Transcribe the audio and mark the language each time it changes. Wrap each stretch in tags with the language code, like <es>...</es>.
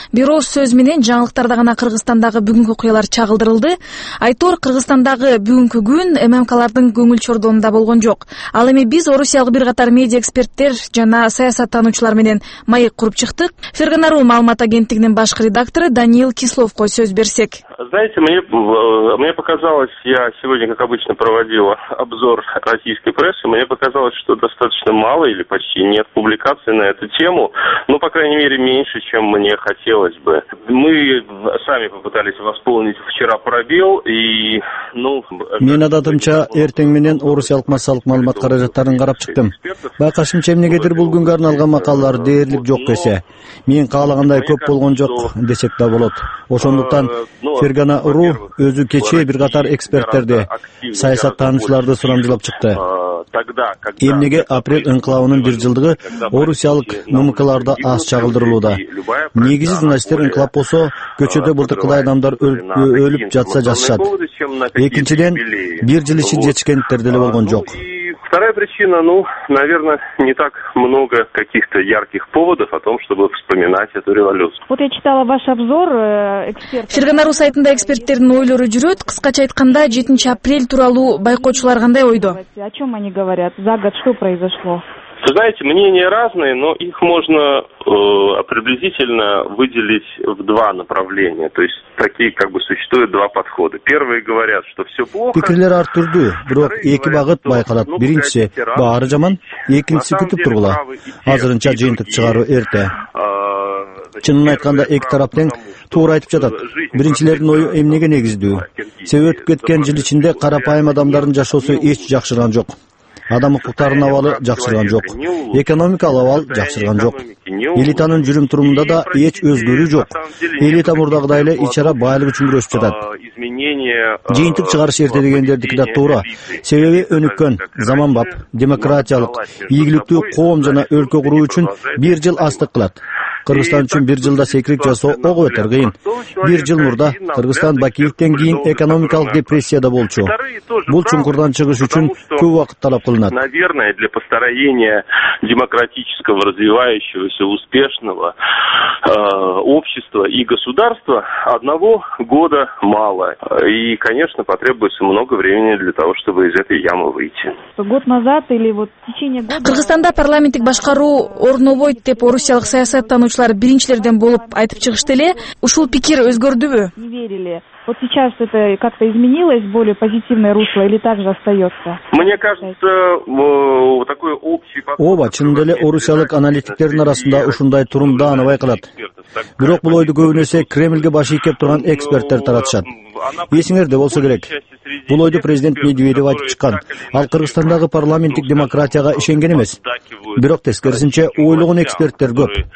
<ky>Бирок сөз менен жаңылыктарда гана Кыргызстандагы бүгүнкү окуялар чагылдырылды. Айтор, Кыргызстандагы бүгүнкү күн ММКлардын көңүл чордоонунда болгон жок. Ал эми биз орусиялык бир катар медиа эксперттер жана саясаттануучулар менен маек куруп чыктык. Ферганару маалымат агенттигинин башкы редактору Даниил Кисловко сөз берсек.</ky> <ru>Знаете, мне показалось, я сегодня, как обычно, проводил обзор российской прессы, мне показалось, что достаточно мало или почти нет публикаций на эту тему, ну, по крайней мере, меньше, чем мне хотелось бы. Мы сами попытались восполнить вчера пробел, и, ну...</ru> <ky>Мен адатымча эртең менен орусиялык массалык маалымат каражаттарын карап чыктым. Байкашымча эмнегедир бул күнгө арналган макалалар дээрлик жок эсе. Мен каалагандай көп болгон жок десек да болот. Ошондуктан Ферганару өзү кечээ бир катар эксперттерди, саясаттануучуларды сурамжылап чыкты. Эмнеге апрель инкылабынын бир жылдыгы орусиялык МКларда аз чагылдырылууда? Негизи журналисттер инкылап болсо, көчөдө былтыркылай адамдар өлүп жатса жазышат. Экинчиден, бир жыл ичинде жетишкендиктер деле болгон жок.</ky> <ru>Вторая причина, ну, наверное, не так много каких-то ярких поводов о том, чтобы вспоминать эту революцию. Вот я читала ваш обзор эксперта.</ru> <ky>Ферганару сайтында эксперттердин ойлору жүрөт. Кыскача айтканда, 7 апрель тууралуу байкоочулар кандай ойдо?</ky> <ru>О чем они говорят? За год что произошло? Вы знаете, мнения разные, но их можно приблизительно выделить в два направления. То есть такие как бы существуют два подхода. Первые говорят, что все плохо.</ru> <ky>Пикирлер ар түрдүү, бирок эки багыт байкалат. Биринчиси баары жаман, экинчиси күтүп турула. Азырынча жыйынтык чыгаруу эрте. Чынын айтканда эки тарап тең туура айтып жатат. Биринчилердин ою эмнеге негиздүү? Себеп өтүп кеткен жыл ичинде карапайым адамдардын жашоосу эч жакшырган жок. Адам укуктарынын абалы жакшырган жок. Экономикалык абал жакшырган жок. Элитанын жүрүм турумунда да эч өзгөрүү жок. Элита мурдагыдай эле ичара байлык үчүн күрөшүп жатат. Жыйынтык чыгарыш эрте дегендердики да туура. Себеби өнүккөн, заманбап, демократиялык, ийгиликтүү коом жана өлкө куруу үчүн бир жыл аздык кылат. Кыргызстан үчүн бир жылда секирик жасоо ого бетер кыйын. Бир жыл мурда Кыргызстан Бакиевден кийин экономикалык депрессияда болчу. Бул чуңкурдан чыгыш үчүн көп убакыт талап кылынат.</ky> <ru>Наверное, для построения демократического, развивающегося, успешного общества и государства одного года мало. И, конечно, потребуется много времени для того, чтобы из этой ямы выйти. Год назад или вот в течение года...</ru> <ky>Кыргызстанда парламенттик башкаруу орнобойт деп орусиялык саясаттануучу биринчилерден болуп айтып чыгышты эле. Ушул пикир өзгөрдүбү?</ky> <ru>Не верили. Вот сейчас это как-то изменилось в более позитивное русло или так же остается? Мне кажется, такой общий подход...</ru> <ky>Ооба, чынында эле орусиялык аналитиктердин арасында ушундай турум даана байкалат. Бирок бул ойду көбүнесе Кремльге баш ийкеп турган эксперттер таратышат. Эсиңерде болсо керек, бул ойду президент Медведев айтып чыккан. Ал Кыргызстандагы парламенттик демократияга ишенген эмес. Бирок тескерисинче ойлогон эксперттер көп.</ky>